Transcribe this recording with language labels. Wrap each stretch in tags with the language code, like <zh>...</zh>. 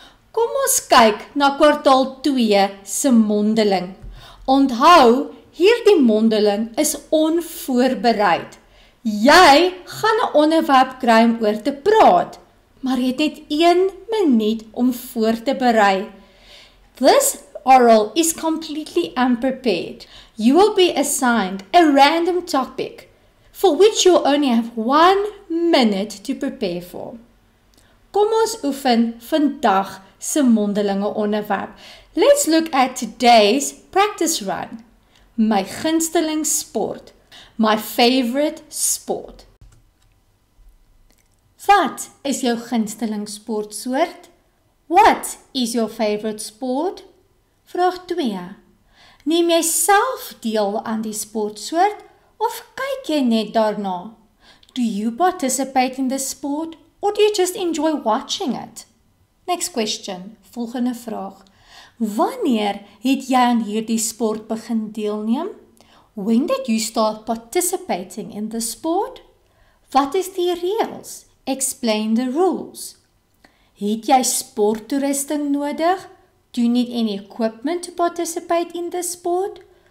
<af>Kom ons kyk na kwartaal 2 se mondeling. Onthou, hierdie mondeling is onvoorbereid. Jy gaan 'n onderwerp kry om oor te praat, maar jy het net 1 minuut om voor te berei.</af> <en>This oral is completely unprepared. You will be assigned a random topic for which you only have 1 minute to prepare for.</en> <af>Kom ons oefen vandag se mondelinge onderwerp.</af> <en>Let's look at today's practice run.</en> <af>My gunsteling sport.</af> <en>My favorite sport.</en> <af>Wat is jou gunsteling sportsoort?</af> <en>What is your favorite sport?</en> <af>Vraag 2. Neem jy self deel aan die sportsoort of kyk jy net daarna?</af> <en>Do you participate in the sport? Or do you just enjoy watching it? Next question,</en> <af>volgende vraag. Wanneer het jy aan hierdie sport begin deelneem?</af> <en>When did you start participating in the sport?</en> <af>Wat is die reëls?</af> <en>Explain the rules.</en> <af>Het jy sporttoerusting nodig?</af> <en>Do you need any equipment to participate in the sport?</en>